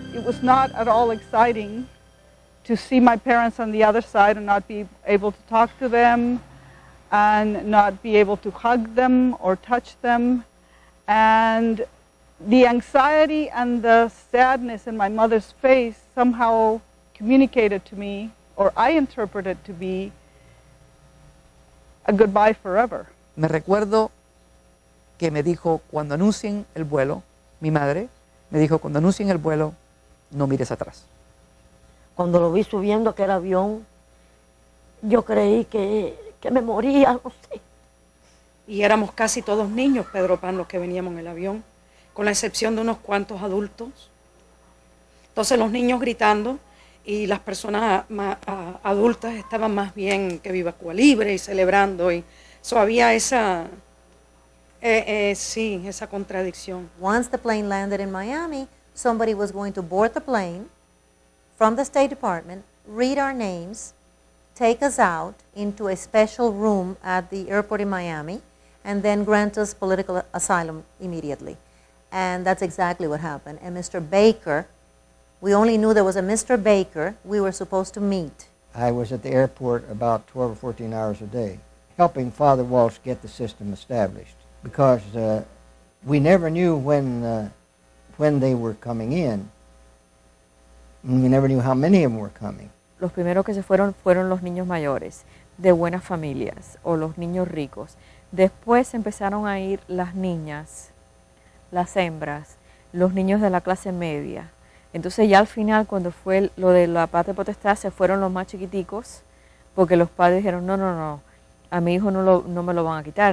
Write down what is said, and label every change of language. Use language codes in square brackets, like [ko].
[en] It's not at all exciting to see my parents on the other side and not be able to talk to them and not be able to hug them or touch them. And the anxiety and the sadness in my mother's face somehow communicated to me, or I interpreted to be, a goodbye forever. [es] Me recuerdo que me dijo cuando anuncien el vuelo, mi madre me dijo cuando anuncien el vuelo, no mires atrás. Cuando lo vi subiendo aquel avión, yo creí que me moría, no sé. Y éramos casi todos niños, Pedro Pan, los que veníamos en el avión, con la excepción de unos cuantos adultos. Entonces los niños gritando y las personas adultas estaban más bien que viva Cuba Libre y celebrando. Y eso había esa... sí, esa contradicción. [en] Once the plane landed in Miami, somebody was going to board the plane from the State Department, read our names, take us out into a special room at the airport in Miami, and then grant us political asylum immediately. And that's exactly what happened. And Mr. Baker, we only knew there was a Mr. Baker we were supposed to meet. I was at the airport about 12 or 14 hours a day, helping Father Walsh get the system established, because we never knew when they were coming in. We never knew how many of them were coming. [es] Los primeros que se fueron los niños mayores, de buenas familias, o los niños ricos. Después empezaron a ir las niñas, las hembras, los niños de la clase media. Entonces ya al final, cuando fue lo de la patria potestad, se fueron los más chiquiticos, porque los padres dijeron, no, a mi hijo no me lo van a quitar.